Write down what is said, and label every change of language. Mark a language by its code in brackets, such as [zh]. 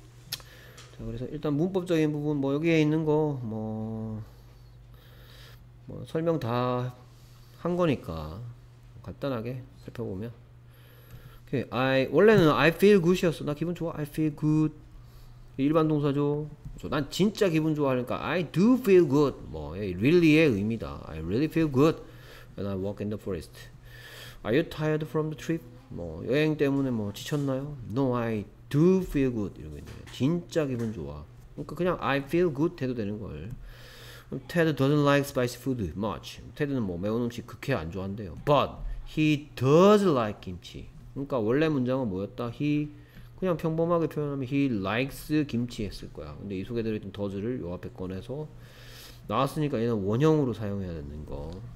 [ko] 자, 그래서 일단 문법적인 부분, 뭐 여기에 있는 거 뭐 설명 다 한 거니까 간단하게 살펴보면, I 원래는 [en] I feel good [ko] 이었어. 나 기분 좋아. [en] I feel good. [ko] 일반 동사죠. 그렇죠? 난 진짜 기분 좋아하니까 [en] I do feel good. [ko] 뭐 really의 의미다. [en] I really feel good when I walk in the forest. Are you tired from the trip? [ko] 뭐 여행 때문에 뭐 지쳤나요? [en] No, I do feel good. [ko] 이런 게 있네요. 진짜 기분 좋아. 그러니까 그냥 [en] I feel good [ko] 해도 되는 걸. [en] Ted doesn't like spicy food much. [ko] Ted는 뭐 매운 음식 극히 안 좋아한대요. [en] But he does like kimchi. [ko] 그러니까 원래 문장은 뭐였다? He 그냥 평범하게 표현하면 [en] he likes [ko] 김치 했을 거야. 근데 이 속에 들어있던 does를 요 앞에 꺼내서 나왔으니까 얘는 원형으로 사용해야 되는 거.